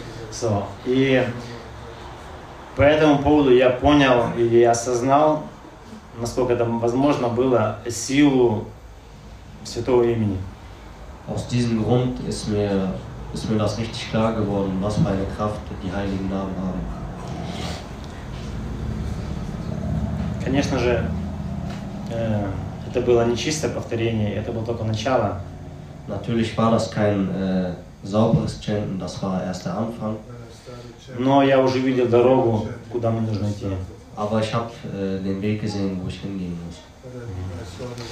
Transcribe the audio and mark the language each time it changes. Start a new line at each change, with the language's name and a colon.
Russian: So, и по этому поводу я понял или осознал, насколько это возможно было, силу Святого Имени.
German: Aus diesem Grund ist mir das richtig klar geworden, was für eine Kraft die heiligen Namen haben.
Russian: Конечно же, это было не чистое повторение, это было только начало.
German: Natürlich war das kein sauberes Chanten, das war erst der Anfang.
Russian: Но я уже видел дорогу, куда мне нужно идти.
German: Aber ich habe den Weg gesehen, wo ich hingehen muss.